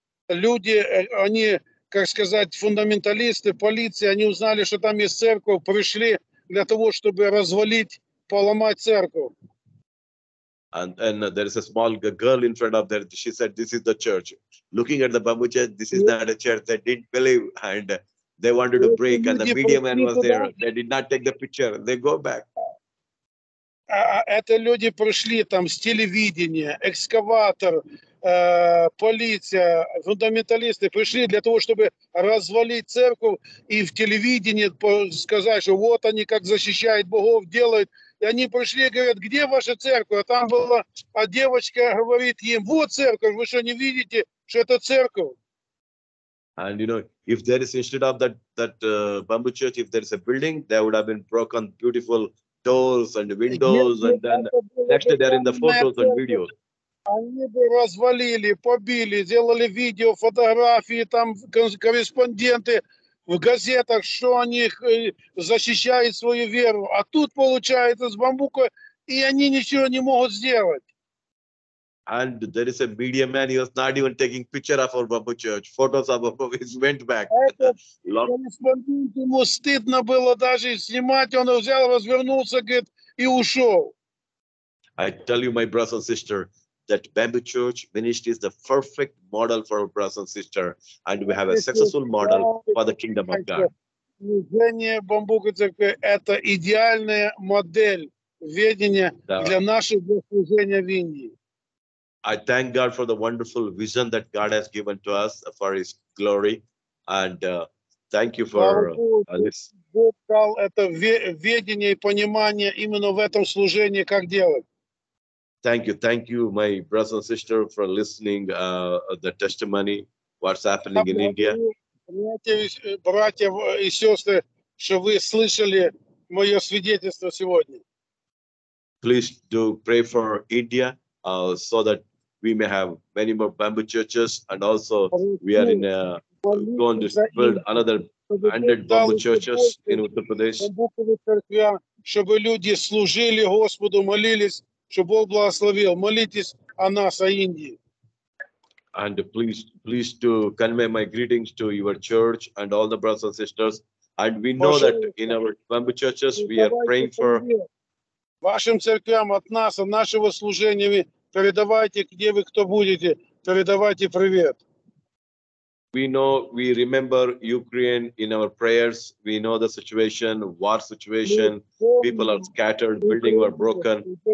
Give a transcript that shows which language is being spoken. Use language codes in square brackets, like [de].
[ru] Люди, они, как сказать, фундаменталисты, полиция, они узнали, что там есть церковь, пришли для того, чтобы развалить, поломать церковь. [en] And there is a small girl in front of there. She said, this is the church. Looking at the bamboo church, this is not a church. They didn't believe, and they wanted to break, and the media man was there. They did not take the picture. They go back. [ru] Это люди пришли там с телевидения, экскаватор, полиция, фундаменталисты пришли для того, чтобы развалить церковь и в телевидении сказать, что вот они как защищают богов, делают. И они пришли и говорят, где ваша церковь? А там была, а девочка говорит им, вот церковь, вы что не видите, что это церковь? [en] And you know, if there is instead of that bamboo church, if there is a building, there would have been broken beautiful doors and windows, and then next they are in the photos and videos. [ru] Они бы развалили, побили, сделали видео, фотографии, там корреспонденты в газетах, что они защищают свою веру. А тут получается с бамбука, и они ничего не могут сделать. [en] And there is a media man, he was not even taking picture of our bamboo church. Photos of our bamboo, he went back. [ru] Корреспондент, ему стыдно было даже снимать, он взял, развернулся, говорит, и ушел. [en] I tell you, my brother and sister, that Bamboo Church Ministry is the perfect model for our brothers and sisters, and we have a successful model for the kingdom of God. [ru] Служение Бамбука Церкви – это идеальная модель ведения для нашего служения в Индии. [en] I thank God for the wonderful vision that God has given to us for His glory, and thank you for this. [ru] Бог дал это ведение и понимание именно в этом служении, как делать. [en] Thank you, my brother and sister, for listening the testimony, what's happening in India. [ru] Братья и сестры, что вы слышали мое свидетельство сегодня. [en] Please do pray for India, so that we may have many more bamboo churches, and also we are in going to build another 100 bamboo churches in Uttar Pradesh. [ru] Чтобы люди служили Господу, молились, чтобы Бог благословил. Молитесь о нас, о Индии. [en] And please to convey my greetings to your church and all the brothers and sisters. And we know that in our bamboo churches we are praying for. [ru] Вашим церквям от нас, от нашего служения, вы передавайте, где вы, кто будете, передавайте привет. [en] We know, we remember Ukraine in our prayers. We know the situation, war situation. People are scattered, building were broken.